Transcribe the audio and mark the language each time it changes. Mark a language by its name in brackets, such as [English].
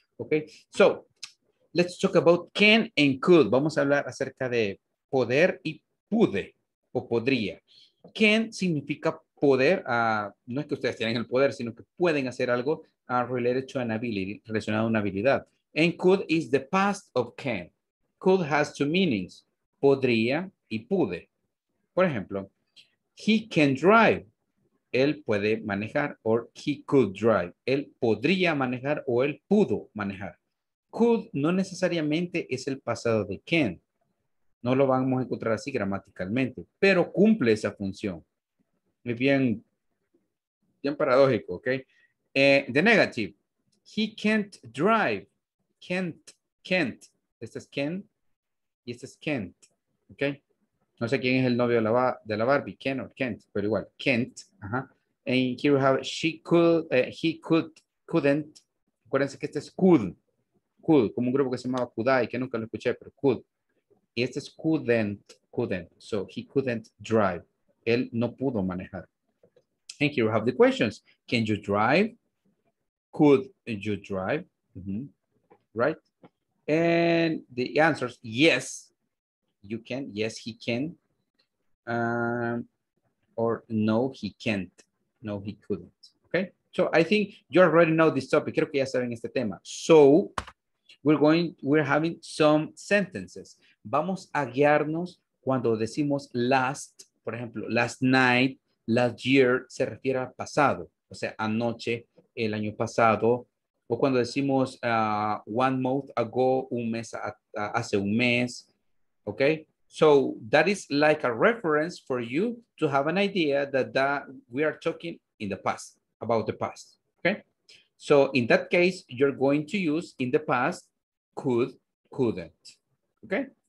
[English] Okay, so let's talk about can and could. [Spanish] Vamos a hablar acerca de poder y pude o podría. Can significa poder, no es que ustedes tienen el poder, sino que pueden hacer algo [English] related to an ability, [Spanish] relacionado a una habilidad. [English] And could is the past of can. Could has two meanings, [Spanish] podría y pude. Por ejemplo, [English] he can drive, [Spanish] él puede manejar, [English] or he could drive, [Spanish] él podría manejar o él pudo manejar. Could no necesariamente es el pasado de can. No lo vamos a encontrar así gramaticalmente, pero cumple esa función. Es bien, bien paradójico, [English] ¿ok? The negative, he can't drive, can't. [Spanish] Este es can y este es can't, ¿ok? No sé quién es el novio de la Barbie, Ken or Kent, pero igual, Kent. Ajá. [English] And here we have, she could, he could, couldn't. [Spanish] Acuérdense que este es could. Could, como un grupo que se llamaba Kudai, que nunca lo escuché, pero could. Y este es couldn't, couldn't. [English] So, he couldn't drive. [Spanish] Él no pudo manejar. [English] And here we have the questions. Can you drive? Could you drive? Mm-hmm. Right? And the answers, yes. You can, yes, he can, or no, he can't, no, he couldn't, okay? So, I think you already know this topic, [Spanish] creo que ya saben este tema. [English] So, we're having some sentences. [Spanish] Vamos a guiarnos cuando decimos last, por ejemplo, [English] last night, last year, [Spanish] se refiere al pasado, o sea, anoche, el año pasado, o cuando decimos [English] one month ago, [Spanish] un mes, hace un mes. [English] Okay, so that is like a reference for you to have an idea that we are talking in the past, about the past, okay? So in that case, you're going to use in the past, could, couldn't, okay?